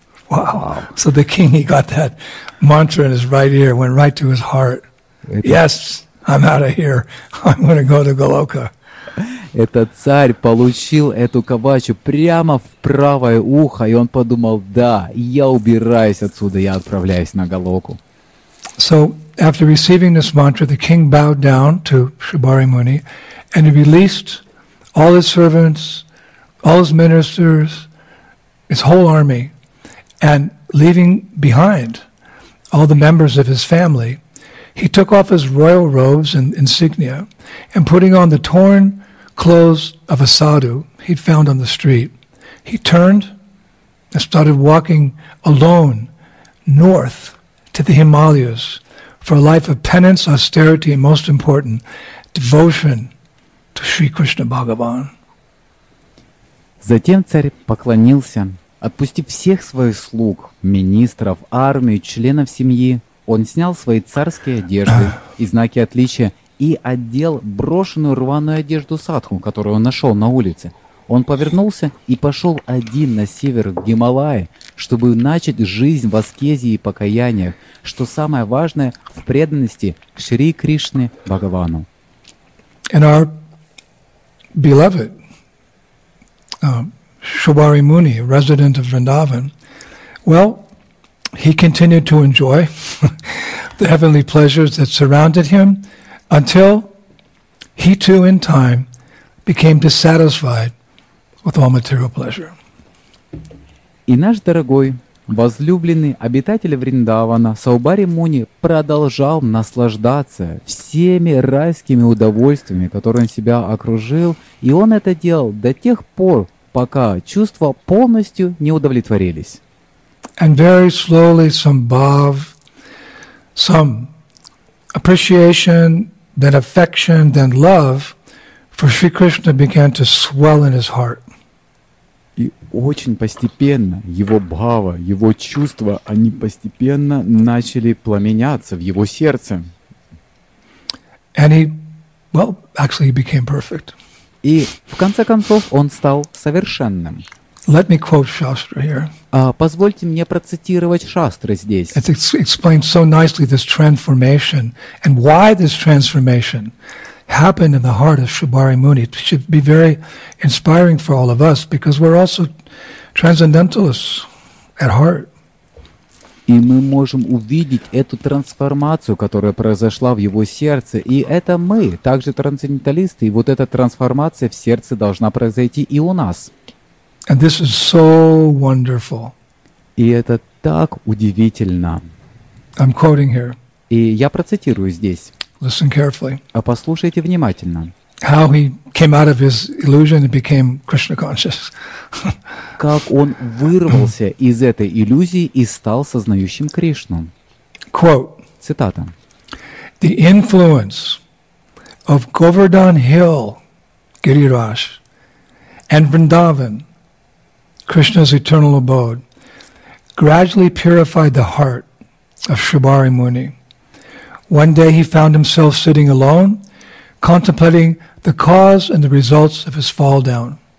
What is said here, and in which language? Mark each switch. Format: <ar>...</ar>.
<en>Wow. So the king, he got that mantra in his right ear, went right to his heart. Yes, I'm out of here. I'm going to go to Galoka.</en> <ru>Этот царь получил эту кавачу прямо в правое ухо, и он подумал: да, я убираюсь отсюда, я отправляюсь на Галоку.</ru> <en>So, after receiving this mantra, the king bowed down to Shibari Muni, and he released all his servants, all his ministers, his whole army, and leaving behind all the members of his family, he took off his royal robes and insignia, and putting on the torn clothes of a sadhu he'd found on the street, he turned and started walking alone north to the Himalayas for a life of penance, austerity, and most important, devotion to Sri Krishna Bhagavan.</en> <ru>Затем царь поклонился, отпустив всех своих слуг, министров, армию, членов семьи. Он снял свои царские одежды и знаки отличия и одел брошенную рваную одежду садху, которую он нашел на улице. Он повернулся и пошел один на север в Гималаи, чтобы начать жизнь в аскезе и покаяниях, что самое важное, в преданности к Шри Кришне Бхагавану.</ru> <en>And our beloved Shibari Muni, resident of Vrindavan, well, he continued to enjoy the heavenly pleasures that surrounded him, until he too in time became dissatisfied with all material pleasure.</en> <ru>И наш дорогой, возлюбленный обитатель Вриндавана Саубари Муни продолжал наслаждаться всеми райскими удовольствиями, которые он себя окружил, и он это делал до тех пор, пока чувства полностью не удовлетворились.</ru> <en>And very slowly some bhav, some appreciation, then affection, then love for Sri Krishna began to swell in his heart.</en> <ru>И очень постепенно его бхава, его чувства, они постепенно начали пламеняться в его сердце.</ru> <en>And he, well, actually he became perfect.</en> <ru>И в конце концов он стал совершенным.</ru> <en>Let me quote Shastra here.</en> <ru>Позвольте мне процитировать Шастры здесь.</ru> <en>It explains so nicely this transformation and why this transformation happened in the heart of Shibari Muni. It should be very inspiring for all of us because we're also transcendentalists at heart.</en> <ru>И мы можем увидеть эту трансформацию, которая произошла в его сердце. И это мы, также трансценденталисты, и вот эта трансформация в сердце должна произойти и у нас.</ru> <en>And this is so wonderful.</en> <ru>И это так удивительно.</ru> <en>I'm quoting here.</en> <ru>И я процитирую здесь.</ru> <en>Listen carefully.</en> <ru>А послушайте внимательно.</ru> <en>How he came out of his illusion and became Krishna conscious.</en> <ru>Как он вырвался из этой иллюзии и стал сознающим Кришну.</ru> <en>Quote.</en> <ru>Цитата.</ru> <en>The influence of Govardhan Hill, Giriraj, and Vrindavan, Krishna's eternal abode, gradually purified the heart of Shibari Muni. One day he found himself sitting alone, contemplating the cause and the results of his fall down.</en>